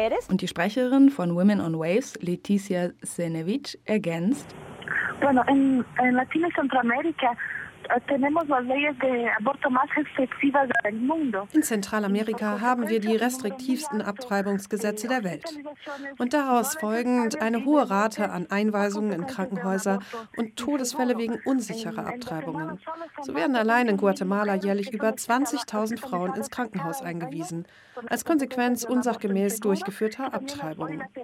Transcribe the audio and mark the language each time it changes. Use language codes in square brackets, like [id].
[de] Und die Sprecherin von Women on Waves, Leticia Senevich, ergänzt. [es] Bueno, en Latino y Centroamérica tenemos las leyes de aborto más restrictivas del mundo. [de] In Zentralamerika haben wir die restriktivsten Abtreibungsgesetze der Welt. Und daraus folgend eine hohe Rate an Einweisungen in Krankenhäuser und Todesfälle wegen unsicherer Abtreibungen. So werden allein in Guatemala jährlich über 20.000 Frauen ins Krankenhaus eingewiesen, als Konsequenz unsachgemäß durchgeführter Abtreibungen.